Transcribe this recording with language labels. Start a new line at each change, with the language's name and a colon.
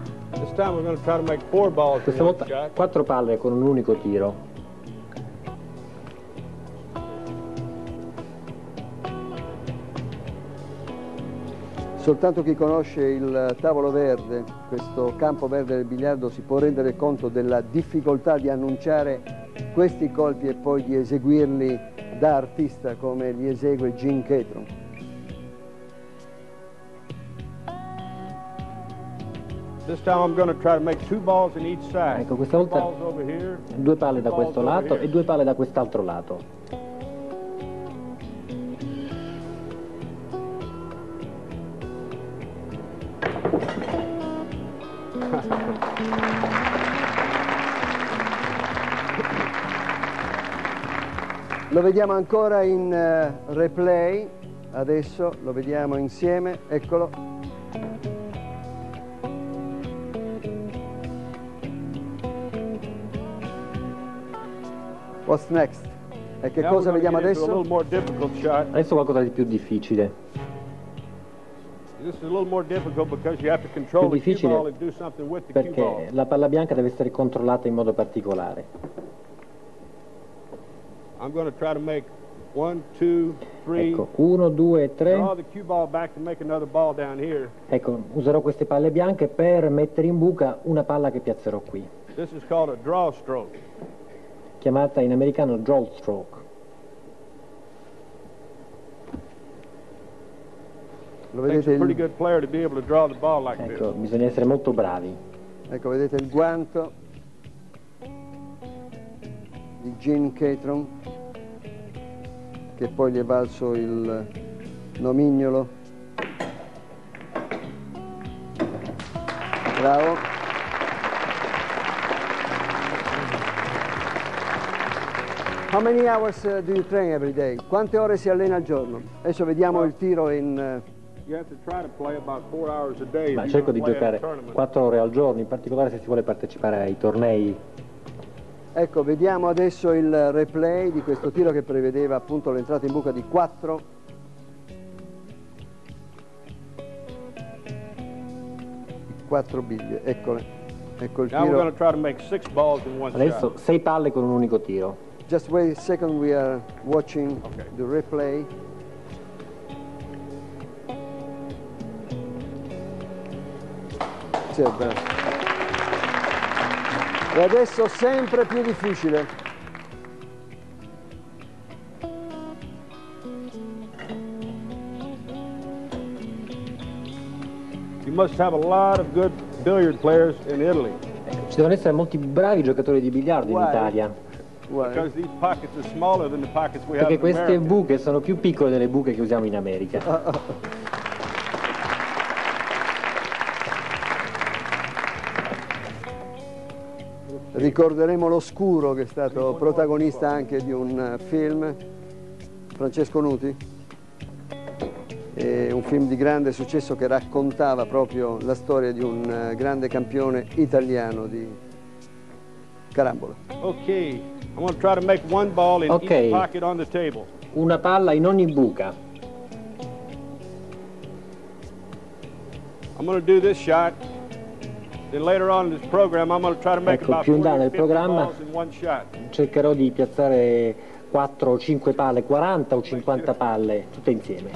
English: This time we're going to try to make four balls.
Italian: Questa volta quattro palle con un unico tiro. Soltanto chi conosce il tavolo verde, questo campo verde del biliardo, si può rendere conto della difficoltà di annunciare questi colpi e poi di eseguirli da artista come li esegue Gene Catron.
English: This time I'm going to try to make two balls in each side.
Italian: Ecco, questa volta due palle da questo lato e due palle da quest'altro lato. Lo vediamo ancora in replay, adesso lo vediamo insieme, eccolo.
English: What's next?
Italian: E che
English: now
Italian: cosa vediamo adesso? Adesso qualcosa di più difficile.
English: This is a little more difficult because you have to control the cue ball and do something with the cue ball.
Italian: Perché la palla bianca deve essere controllata in modo particolare.
English: I'm going to try to make one, two, three.
Italian: Ecco, uno, due, tre.
English: Draw the cue ball back to make another ball down here.
Italian: Ecco, userò queste palle bianche per mettere in buca una palla che piazzerò qui.
English: This is called a draw stroke.
Italian: Chiamata in americano draw stroke. Lo vedete,
English: a pretty good player to be able to draw the ball like this.
Italian: Ecco, bisogna essere molto bravi. Ecco, vedete il guanto di Gene Catron, che poi gli è valso il nomignolo. Bravo.
English: How many hours do you train every day?
Italian: Quante ore si allena al giorno? Adesso vediamo il tiro in... Ma cerco di giocare 4 ore al giorno, in particolare se si vuole partecipare ai tornei. Ecco, vediamo adesso il replay di questo tiro che prevedeva appunto l'entrata in buca di 4. Quattro biglie, eccole. Ecco il tiro. Adesso 6 palle con un unico tiro.
English: Just wait a second, we are watching the replay.
Italian: E adesso sempre più difficile.
English: You must have a lot of good billiard players in Italy.
Italian: Ci devono essere molti bravi giocatori di biliardo in Italia.
English: Because these pockets are smaller than the pockets we have.
Italian: Perché queste buche sono più piccole delle buche che usiamo in America. Ricorderemo l'oscuro, che è stato protagonista anche di un film, Francesco Nuti, è un film di grande successo che raccontava proprio la storia di un grande campione italiano di carambola.
English: Ok, I'm gonna try to make one ball in each pocket on the table.
Italian: Una palla in ogni buca.
English: I'm gonna do this shot. And later on in this program I'm going to try to make about 40 balls in one shot.
Italian: Cercherò di piazzare 4 o 5 palle, 40 o 50 palle tutte insieme.